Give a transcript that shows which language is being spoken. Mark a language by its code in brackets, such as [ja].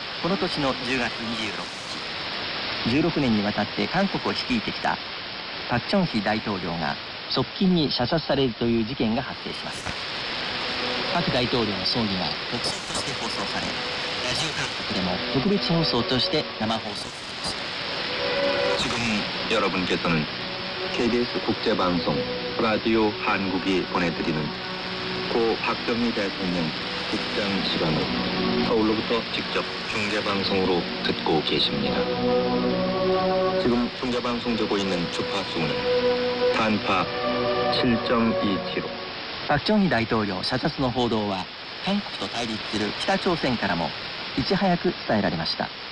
[ja] この年の10月26日、16年にわたって韓国を率いてきたパク・チョンヒ大統領が側近に射殺されるという事件が発生します。パク大統領の葬儀は特集として放送され、ラジオ韓国でも特別放送として生放送。 [ko] 지금여러분께서는 KBS 국제방송라디오한국이보내드리는고박정희대통령국장시간을서울로부터직접중계방송으로듣고계십니다지금중계방송되고있는주파수는단파 7.2kHz [ja] 박정희대통령射殺の報道は韓国と対立する北朝鮮からもいち早く伝えられました。